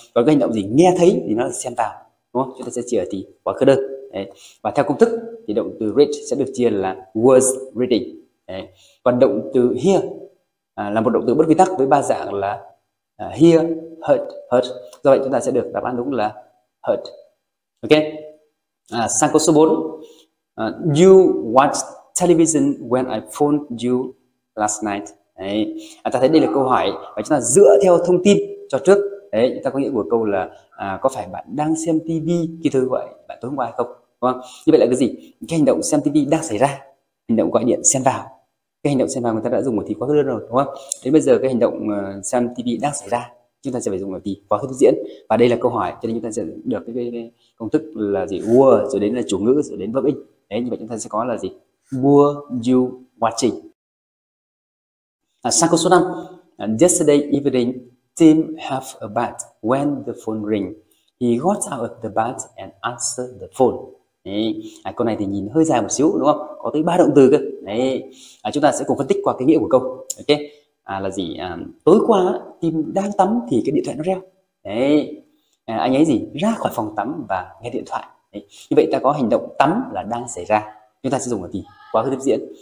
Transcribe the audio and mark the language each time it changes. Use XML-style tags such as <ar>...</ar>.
<vi>Còn cái hành động gì nghe thấy thì nó là xen vào, đúng không? Chúng ta sẽ chia thì quá khứ đơn. Đấy. Và theo công thức thì động từ read sẽ được chia là was reading. Đấy. Còn động từ hear là một động từ bất quy tắc với ba dạng là hear, heard, heard. Do vậy chúng ta sẽ được đáp án đúng là heard. Ok. Sang câu số 4.</vi> <en>You watched television when I phoned you last night.</en> <vi>Đấy. Ta thấy đây là câu hỏi và chúng ta dựa theo thông tin cho trước. Đấy, chúng ta có nghĩa của câu là có phải bạn đang xem TV khi tôi gọi bạn tối hôm qua hay không? Đúng không? Như vậy là cái gì? Cái hành động xem TV đang xảy ra, hành động gọi điện xen vào. Cái hành động xen vào người ta đã dùng ở thì quá khứ đơn rồi, đúng không? Đến bây giờ cái hành động xem TV đang xảy ra, chúng ta sẽ phải dùng ở thì quá khứ tiếp diễn. Và đây là câu hỏi, cho nên chúng ta sẽ được cái công thức là gì? Were, rồi đến là chủ ngữ, rồi đến verb in. Đấy, như vậy chúng ta sẽ có là gì? Were you watching? Sang câu số 5.</vi> <en>Yesterday evening, Tim have a bath when the phone ring. He got out of the bath and answered the phone.</en> <vi>Đấy. Câu này thì nhìn hơi dài một xíu đúng không? Có tới ba động từ cơ. Đấy. Chúng ta sẽ cùng phân tích qua cái nghĩa của câu. Ok. Là gì? Tối qua Tim đang tắm thì cái điện thoại nó reo. Đấy. Anh ấy gì? Ra khỏi phòng tắm và nghe điện thoại. Đấy. Như vậy ta có hành động tắm là đang xảy ra. Chúng ta sẽ dùng là gì? Quá khứ tiếp diễn.</vi>